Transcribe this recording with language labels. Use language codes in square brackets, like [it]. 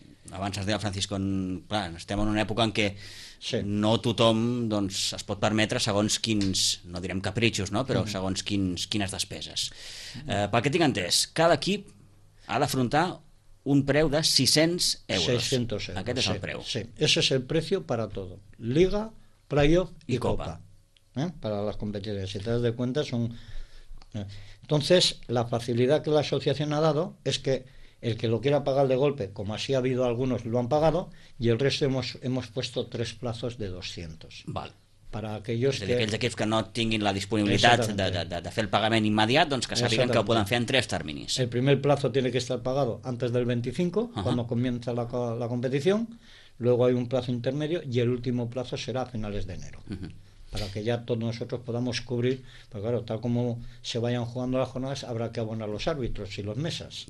[ca] Abans es deia, Francisco, clar, estem en una època en què no tothom doncs, es pot permetre segons quins, no direm capritxos, no? Però segons quines despeses. Pel que tinc entès, cada equip ha d'afrontar un preu de 600 euros. 600 euros. Aquest és el preu. [es] Sí, ese es el precio para todo. Liga, playoff y copa. Para las competiciones. Si te das de cuenta, son... Entonces, la facilidad que la asociación ha dado es que el que lo quiera pagar de golpe, como así ha habido algunos, lo han pagado, y el resto hemos puesto tres plazos de 200. Vale. Para aquellos que... [ca] Aquells equips que no tinguin la disponibilitat de fer el pagament immediat, doncs que sàpiguen que ho poden fer en tres terminis. [es] El primer plazo tiene que estar pagado antes del 25, cuando comienza la competición, luego hay un plazo intermedio y el último plazo será a finales de enero, para que ya todos nosotros podamos cubrir, porque claro, tal como se vayan jugando las jornadas, habrá que abonar los árbitros y los mesas.